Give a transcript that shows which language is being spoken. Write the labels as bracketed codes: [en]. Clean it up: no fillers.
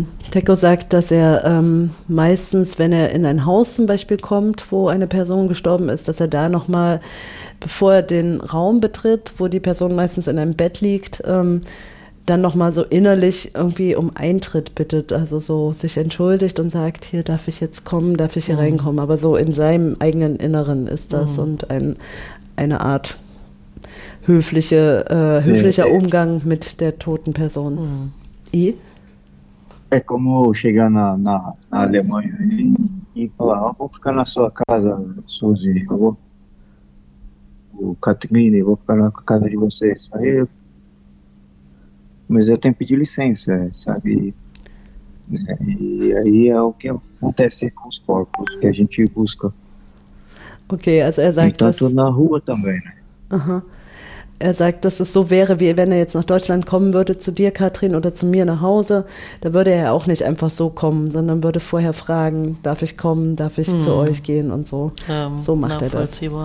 [de] Teco sagt, dass er meistens, wenn er in ein Haus zum Beispiel kommt, wo eine Person gestorben ist, dass er da nochmal, bevor er den Raum betritt, wo die Person meistens in einem Bett liegt, dann nochmal so innerlich irgendwie um Eintritt bittet, also so sich entschuldigt und sagt, hier darf ich jetzt kommen, darf ich hier reinkommen. Aber so in seinem eigenen Inneren ist das und eine Art höflicher Umgang mit der toten Person. [pt] É como chegar na Alemanha e falar, ah, vou ficar na sua casa, Suzy, Katrine, vou ficar na casa de vocês. Aí mas eu tenho que pedir licença, sabe? E aí é o que acontece com os corpos, que a gente busca. [de] Ok, also er sagt, dass... [pt] Tanto na rua também, né? [de] Er sagt, dass es so wäre, wie wenn er jetzt nach Deutschland kommen würde, zu dir, Katrin, oder zu mir nach Hause, da würde er auch nicht einfach so kommen, sondern würde vorher fragen, darf ich kommen, darf ich zu euch gehen und so. So macht er das.